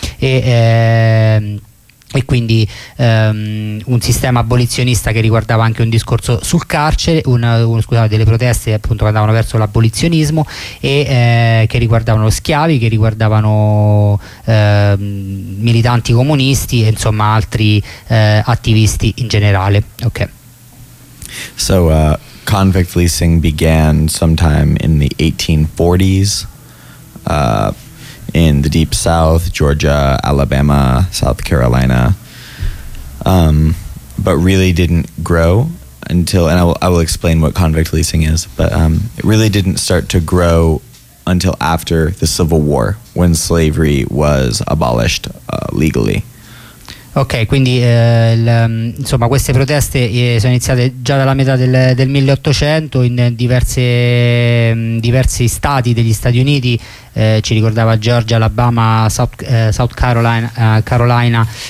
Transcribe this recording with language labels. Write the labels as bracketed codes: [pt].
[it] e quindi un sistema abolizionista che riguardava anche un discorso sul carcere, delle proteste appunto che andavano verso l'abolizionismo, e che riguardavano schiavi, che riguardavano militanti comunisti e insomma altri attivisti in generale. Okay. [en] So convict leasing began sometime in the 1840s in the Deep South, Georgia, Alabama, South Carolina, but really didn't grow until, and I will explain what convict leasing is, but it really didn't start to grow until after the Civil War, when slavery was abolished legally. [it] Ok, quindi insomma queste proteste sono iniziate già dalla metà del 1800 in diversi stati degli Stati Uniti, ci ricordava Georgia, Alabama, South Carolina,